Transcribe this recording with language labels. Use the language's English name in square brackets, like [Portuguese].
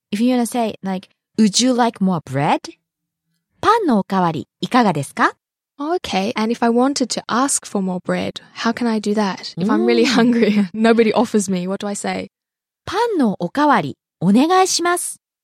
[English] If you wanna say, like, would you like more bread? [Japanese] パンのおかわり、いかがですか? [English] Okay, and if I wanted to ask for more bread, how can I do that? If I'm really hungry, nobody offers me, what do I say? [Japanese] パンのおかわり、お願いします。